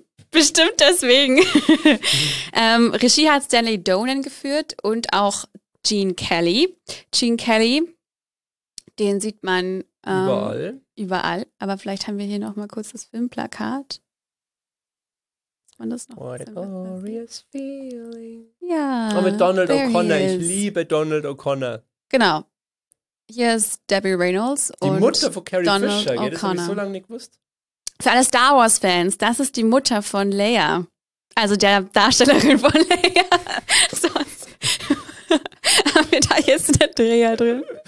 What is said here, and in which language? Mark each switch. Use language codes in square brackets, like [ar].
[de] Bestimmt deswegen. Regie hat Stanley Donen geführt und auch Gene Kelly. Gene Kelly, den sieht man überall. Aber vielleicht haben wir hier noch mal kurz das Filmplakat. Das noch [en] What a glorious feeling. [de] Ja. Oh, mit Donald O'Connor. Ich liebe Donald O'Connor. Genau. Hier ist Debbie Reynolds und die Mutter von Carrie Donald Fisher. O'Connor. Das habe ich so lange nicht gewusst. Für alle Star Wars Fans, das ist die Mutter von Leia. Also der Darstellerin von Leia. Sonst haben wir da jetzt eine Dreher drin.